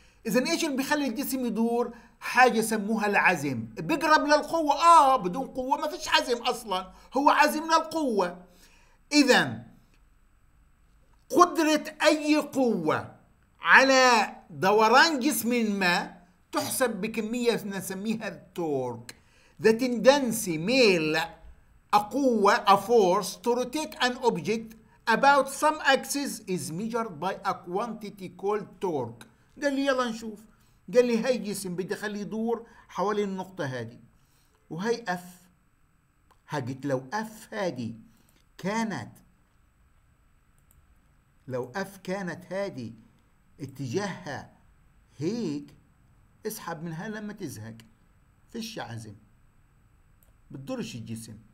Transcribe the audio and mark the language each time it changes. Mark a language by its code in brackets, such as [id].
[ar] اذا ايش اللي بيخلي الجسم يدور؟ حاجة سموها العزم، بقرب للقوة. بدون قوة ما فيش عزم اصلا، هو عزم للقوة. اذا قدرة اي قوة على دوران جسم ما تحسب بكمية نسميها التورك. [en] The tendency [ar] ميل [en] a [ar] قوة [en] a force to rotate an object about some axis is measured by a quantity called torque. [ar] قال لي يلا نشوف، قال لي هاي جسم بدي خلي يدور حوالي النقطة هذه، وهي F. هقلت لو F هذه كانت، لو F كانت هذه اتجاهها هيك، اسحب منها لما تزهق، فيش عزم، بتدورش الجسم.